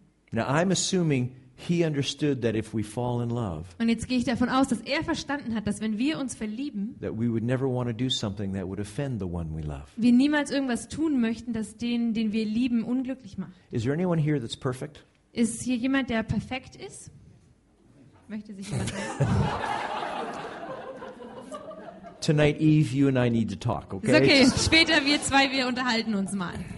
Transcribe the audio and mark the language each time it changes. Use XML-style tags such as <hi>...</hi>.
<en>Now I'm assuming he understood that if we fall in love.</en> <de>Und jetzt gehe ich davon aus, dass er verstanden hat, dass wenn wir uns verlieben,</de> <en>that we would never want to do something that would offend the one we love.</en> <de>Wir niemals irgendwas tun möchten, das den, den wir lieben, unglücklich macht.</de> <en>Is there anyone here that's perfect?</en> <de>Ist hier jemand, der perfekt ist? Möchte sich jemand melden?</de> <en>Tonight Eve, you and I need to talk, okay?</en> <de>Ist okay, später wir zwei, wir unterhalten uns mal.</de>